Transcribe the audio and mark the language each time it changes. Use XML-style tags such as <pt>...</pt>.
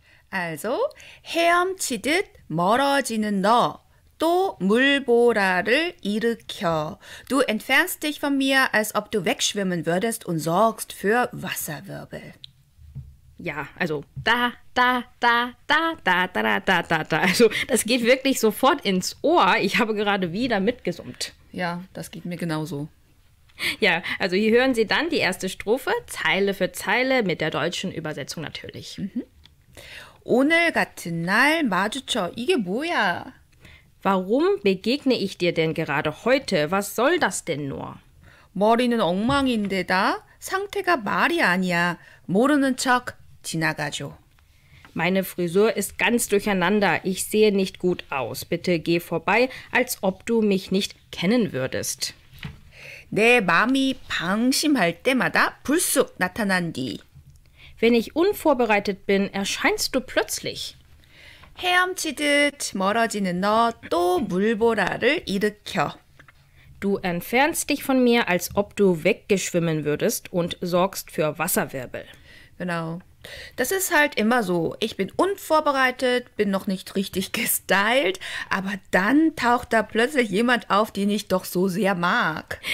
<ko>Also, 헤엄치듯 멀어지는 너, 또 물보라를 일으켜.</ko> <de>Du entfernst dich von mir, als ob du wegschwimmen würdest und sorgst für Wasserwirbel. Ja, also da, da, da, da, da, da, da, da, da, da. Also, das geht wirklich sofort ins Ohr. Ich habe gerade wieder mitgesummt. Ja, das geht mir genauso. Ja, also hier hören Sie dann die erste Strophe, Zeile für Zeile, mit der deutschen Übersetzung natürlich.</de> <ko>Mhm. 오늘 같은 날 마주쳐. 이게 뭐야?</ko> <de>Warum begegne ich dir denn gerade heute? Was soll das denn nur?</de> <ko>머리는 엉망인데다 상태가 말이 아니야. 모르는 척 지나가줘.</ko> <de>Meine Frisur ist ganz durcheinander. Ich sehe nicht gut aus. Bitte geh vorbei, als ob du mich nicht kennen würdest.</de> <ko>내 마음이 방심할 때마다 불쑥 나타난 뒤.</ko> <de>Wenn ich unvorbereitet bin, erscheinst du plötzlich.</de> <ko>헤엄치듯 멀어지는 너 또 물보라를 일으켜.</ko> <de>Du entfernst dich von mir, als ob du weggeschwimmen würdest und sorgst für Wasserwirbel. Genau. Das ist halt immer so. Ich bin unvorbereitet, bin noch nicht richtig gestylt, aber dann taucht da plötzlich jemand auf, den ich doch so sehr mag.</de>